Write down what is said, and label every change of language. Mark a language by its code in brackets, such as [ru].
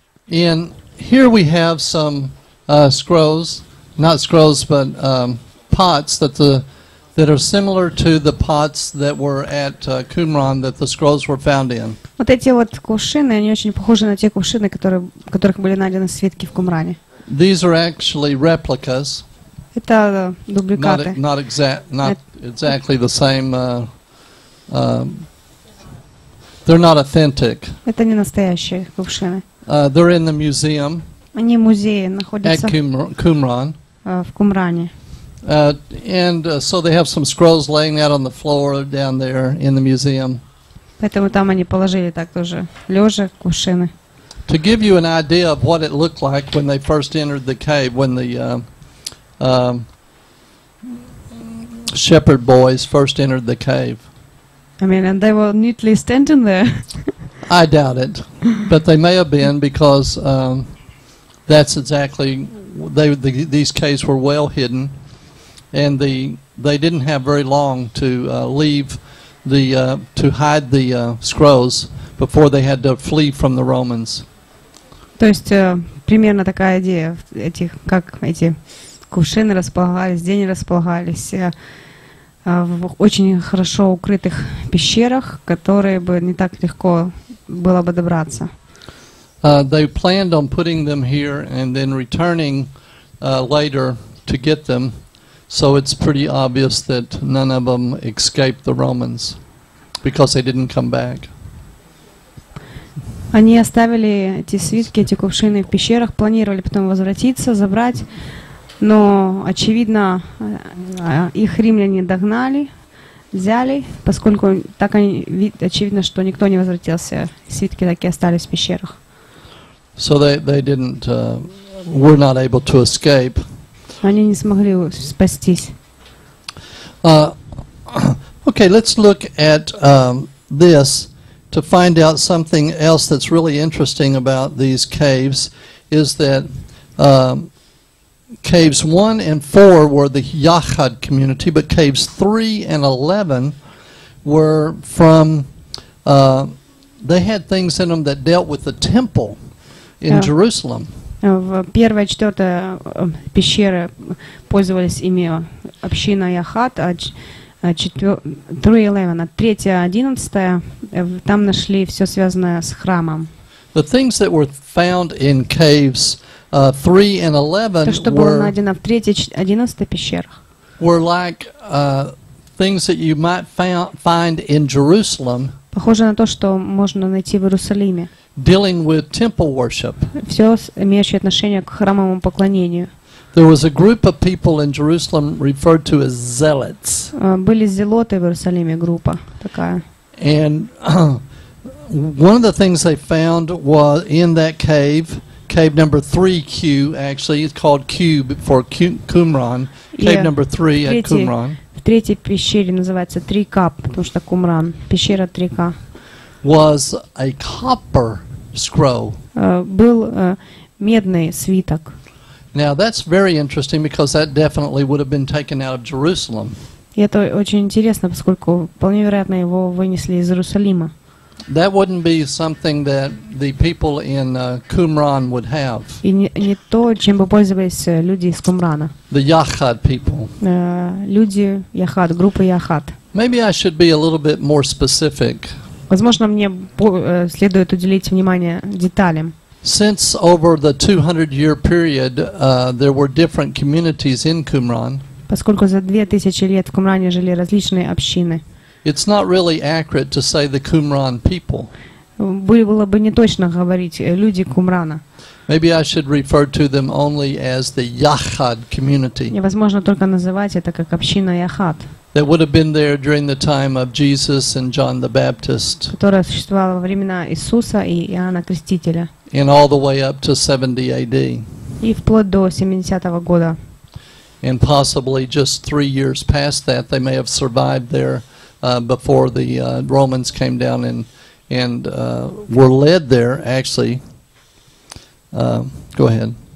[en] And here we have some scrolls, not scrolls, but pots that are similar to the pots that were at Qumran that the scrolls were found in. [ru] Вот эти вот кувшины, они очень похожи на те кувшины, которых были найдены свитки в Кумране. [en] These are actually replicas. [ru] Это дубликаты. [en] Not exactly the same. They're not authentic. [ru] Это не настоящие кувшины. [en] They're in the museum. [ru] Они в музее находятся. [en] At Qumran. [ru] В Кумране. [en] So they have some scrolls laying out on the floor down there in the museum. [ru] Поэтому там они положили так тоже лежа кувшины. [en] To give you an idea of what it looked like when they first entered the cave, when the shepherd boys first entered the cave. I mean, and they were neatly standing there. I doubt it, but they may have been because that's exactly these caves were well hidden. And they didn't have very long to leave the to hide the scrolls before they had to flee from the Romans. [ru] То есть примерно такая идея этих как эти кувшины располагались, где они располагались в очень хорошо укрытых пещерах, которые бы не так легко было бы добраться. [en] They planned on putting them here and then returning later to get them. So it's pretty obvious that none of them escaped the Romans because they didn't come back. [ru] Они оставили эти свитки, эти кувшины в пещерах, планировали потом возвратиться, забрать, но очевидно их римляне догнали, взяли, поскольку так они очевидно, что никто не возвратился, свитки так и остались в пещерах. [en] So they didn't were not able to escape. [ru] Они не смогли спастись. [en] Okay, let's look at this to find out something else that's really interesting about these caves is that caves 1 and 4 were the Yachad community, but caves 3 and 11 were from, they had things in them that dealt with the temple in Jerusalem. [ru] В первая и четвертая пещеры пользовались ими община Яхат, а 3-11, а третья, 11, там нашли все связанное с храмом. [en] The things that were found in caves 3 and 11 [ru] то, что было найдено в третьей, 11 пещерах, [en] were like things that you might find in Jerusalem. [ru] Похоже на то, что можно найти в Иерусалиме. [en] Dealing with temple worship. [ru] Все имеющее отношение к храмовому поклонению. [en] There was a group of people in Jerusalem referred to as zealots. [ru] Были зелоты в Иерусалиме, группа такая. [en] And one of the things they found was in that cave, cave number 3Q, actually it's called Q for Qumran, cave number 3 at Qumran. [ru] В третьей пещере называется 3К, потому что Кумран, пещера 3К. [en] Was a copper scroll. [ru] Был медный свиток. [en] Now that's very interesting because that definitely would have been taken out of Jerusalem. [ru] И это очень интересно, поскольку вполне вероятно его вынесли из Иерусалима. [en] That wouldn't be something that the people in Qumran would have. [ru] И не то, чем бы пользовались люди из Кумрана. [en] The Yachad people. [ru] Люди Яхад, группа Яхад. [en] Maybe I should be a little bit more specific. [ru] Возможно, мне следует уделить внимание деталям. [en] Since over the 200-year period, there were different communities in Qumran. [ru] Поскольку за 2000 лет в Кумране жили различные общины. [en] It's not really accurate to say the Qumran people. [ru] Было бы неточно говорить люди Кумрана. [en] Maybe I should refer to them only as the Yachad community. [ru] Возможно, только называть это как община Яхад. [en] That would have been there during the time of Jesus and John the Baptist. [ru] Которая существовала во времена Иисуса и Иоанна Крестителя. [en] And all the way up to 70 AD. [ru] И вплоть до 70-го года. [en] And possibly just 3 years past that, they may have survived there before the Romans came down and were led there. Actually, go ahead.